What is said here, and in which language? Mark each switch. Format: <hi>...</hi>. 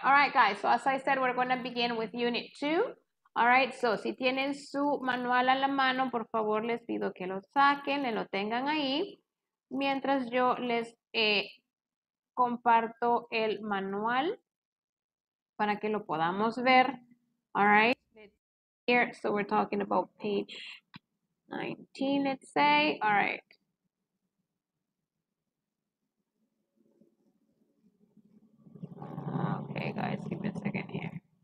<en>All right, guys. So as I said, we're going to begin with Unit 2. All right.</en> <es>So si tienen su manual a la mano, por favor, les pido que lo saquen, le lo tengan ahí. Mientras yo les comparto el manual para que lo podamos ver.</es> <en>All right. Here, so we're talking about page 19, let's say. All right. Okay, guys, give me a second here.</en>